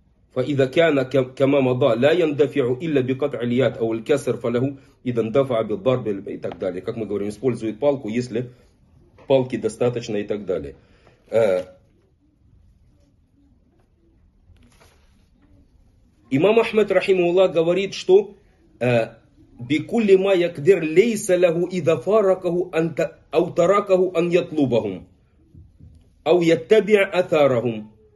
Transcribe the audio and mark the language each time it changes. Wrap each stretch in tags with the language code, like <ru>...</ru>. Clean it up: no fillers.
<ar>فإذا كان كما مضى لا يندفع إلا بقطع اليد أو الكسر فله إذا اندفع بالضرب</ar> <ru>и так далее. Как мы говорим, использует палку, если палки достаточно и так далее. Имам Ахмед рахимахуллах говорит, что</ru> <ar>بكل ما يقدر ليس له إذا فارقه أو تركه أن يطلبهم أو يتبع أثارهم.</ar>